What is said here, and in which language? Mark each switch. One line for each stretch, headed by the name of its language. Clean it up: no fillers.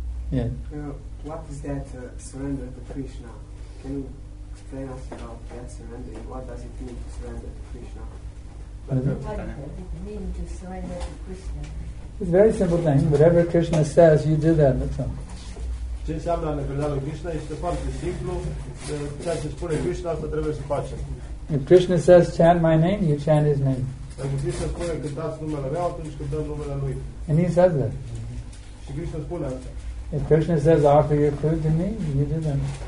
English: Yeah. What is that surrender to Krishna? Can you explain us about that surrender? What does it mean to surrender to Krishna? What does it mean to surrender to Krishna? It's a very simple thing. Whatever Krishna says, you do that. That's all.
Romanian: Ce înseamnă a ne vedea lui Krishna este foarte simplu. Ceea ce spune Krishna, asta trebuie să facem.
English: If Krishna says, chant my name, you chant his name.
Romanian: Dacă Krishna spune, cântați numele meu, atunci cântăm numele lui.
English: And he says that.
Romanian: Și Krishna spune asta.
English: If Krishna says, offer your food to me, you do that.